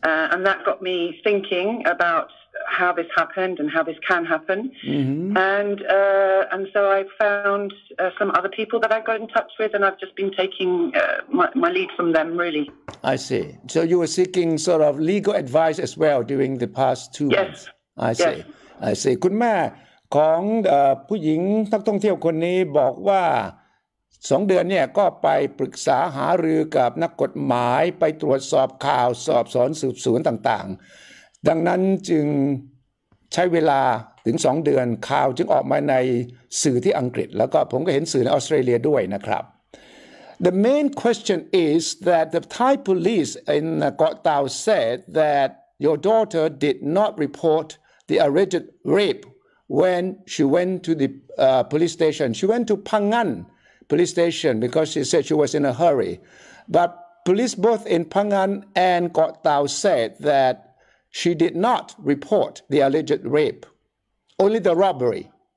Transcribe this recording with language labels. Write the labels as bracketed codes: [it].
[en] And that got me thinking about how this happened and how this can happen. Mm-hmm. And so I found some other people that I got in touch with, and I've just been taking my lead from them, really. I see. So you were seeking sort of legal advice as well during the past two yes. months. I see. [th] คุณแม่ของผู้หญิงนักท่องเที่ยวคนนี้บอกว่า2เดือนเนี่ยก็ไปปรึกษาหารือกับนักกฎหมายไปตรวจสอบข่าวสอบสวนสืบสวนต่างๆดังนั้นจึง ใช้เวลาถึง2เดือนข่าวจึงออกมาในสื่อที่อังกฤษแล้วก็ผมก็เห็นสื่อในออสเตรเลียด้วยนะครับ [en] The main question is that the Thai police in Koh Tao said that your daughter did not report the alleged rape when she went to the police station. She went to Pangan. Police station because she said she was in a hurry. But police both in Pangan and Koh Tao said that she did not report the alleged rape, only the robbery.